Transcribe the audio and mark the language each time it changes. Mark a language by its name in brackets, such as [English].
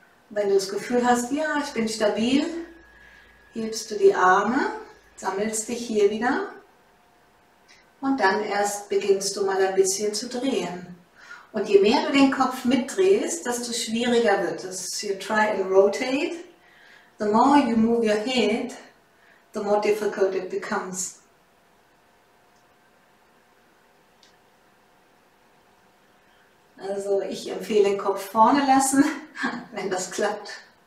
[German] Wenn du das Gefühl hast, ja, ich bin stabil, hebst du die Arme, sammelst dich hier wieder und dann erst beginnst du mal ein bisschen zu drehen. Und je mehr du den Kopf mitdrehst, desto schwieriger wird es. [English] You try and rotate. The more you move your head, the more difficult it becomes. [German] Also ich empfehle, den Kopf vorne lassen, wenn das klappt.